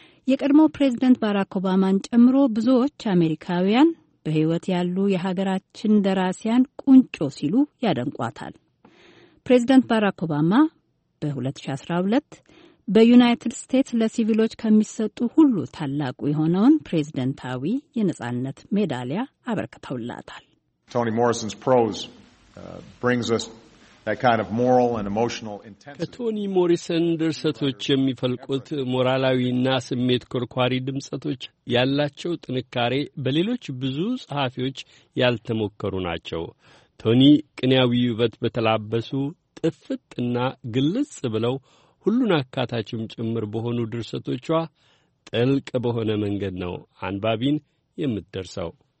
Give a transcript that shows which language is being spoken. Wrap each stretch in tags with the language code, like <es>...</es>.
<am>የቀድሞው ፕሬዝደንት ባራክ ኦባማን ጨምሮ ብዙዎች አሜሪካውያን በህይወት ያሉ የሀገራችን ደራሲያን ቁንጮ ሲሉ ያደንቋታል። ፕሬዝደንት ባራክ ኦባማ በ2012 በዩናይትድ ስቴትስ ለሲቪሎች ከሚሰጡ ሁሉ ታላቁ የሆነውን ፕሬዝደንታዊ የነጻነት ሜዳሊያ አበርክተውላታል።</am> <en>ቶኒ ሞሪሰንስ ፕሮዝ ብሪንግስ አስ that kind of moral and emotional intensity.</en> <am>ከቶኒ ሞሪሰን ድርሰቶች የሚፈልቁት ሞራላዊና ስሜት ኮርኳሪ ድምጸቶች ያላቸው ጥንካሬ በሌሎች ብዙ ጸሐፊዎች ያልተሞከሩ ናቸው። ቶኒ ቅንያዊ ውበት በተላበሱ ጥፍጥና ግልጽ ብለው ሁሉን አካታችም ጭምር በሆኑ ድርሰቶቿ ጥልቅ በሆነ መንገድ ነው አንባቢን የምትደርሰው።</am>